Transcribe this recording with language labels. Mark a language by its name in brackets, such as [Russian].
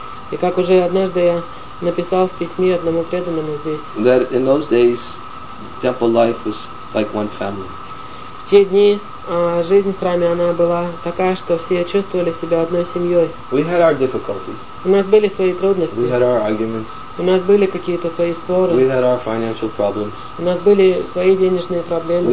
[Russian] И как уже однажды я написал в письме одному преданному здесь. [English] That in those days temple life was like one family. [Russian] В те дни жизнь в храме она была такая, что все чувствовали себя одной семьей. [English] We had our difficulties. [Russian] У нас были свои трудности. [English] We had our arguments. [Russian] У нас были какие-то свои споры. [English] We had our financial problems. [Russian] У нас были свои денежные проблемы.